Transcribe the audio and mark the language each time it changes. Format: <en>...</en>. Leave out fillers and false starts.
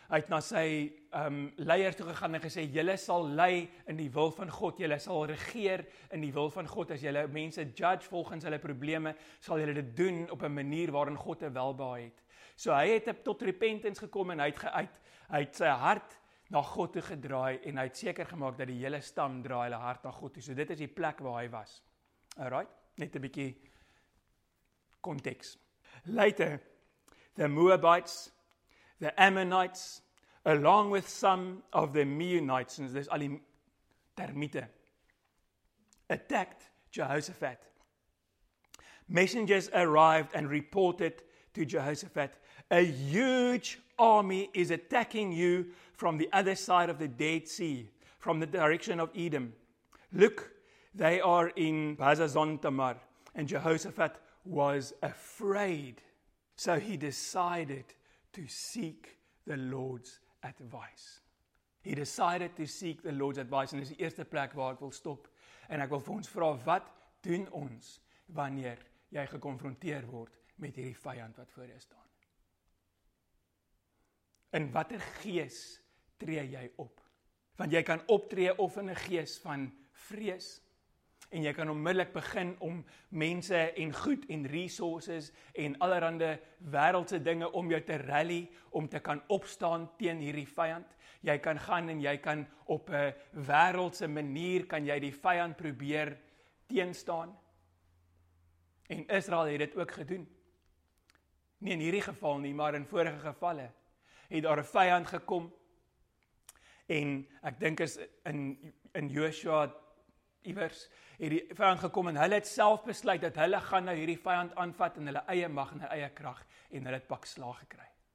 <af>Hy het na sy leier toe gegaan en gesê, julle sal lei in die wil van God, julle sal regeer in die wil van God, as julle mense judge volgens hulle probleme, sal julle dit doen op 'n manier waarin God 'n welbehae het. So hy het tot repentance gekom en hy het sy hart na God toe gedraai en hy het seker gemaak dat die hele stam draai hulle hart na God toe. So dit is die plek waar hy was. Alright, net 'n bietjie konteks.</af> <en>Later, the Moabites, the Ammonites, along with some of the Meunites, and there's Ali Termite, attacked Jehoshaphat. Messengers arrived and reported to Jehoshaphat, a huge army is attacking you from the other side of the Dead Sea, from the direction of Edom. Look, they are in Hazazon Tamar. And Jehoshaphat was afraid, so he decided to seek the Lord's advice. He decided to seek the Lord's advice.</en> <af>En dis die eerste plek waar ek wil stop. En ek wil vir ons vra, wat doen ons wanneer jy gekonfronteer word met hierdie vyand wat voor jou staan? In watter gees tree jy op? Want jy kan optree of in 'n gees van vrees. En jy kan onmiddellik begin om mense en goed en resources en allerhande wêreldse dinge om jou te rally, om te kan opstaan teen hierdie vyand. Jy kan gaan en jy kan op 'n wêreldse manier kan jy die vyand probeer teenstaan. En Israel het dit ook gedoen. Nie in hierdie geval nie, maar in vorige gevalle het daar 'n vyand gekom. En ek dink is in Joshua iewers het die vyand gekom en hulle het self besluit dat hulle gaan nou hierdie vyand aanvat in hulle eie mag en hulle eie krag en hulle het pak slaag gekry.</af>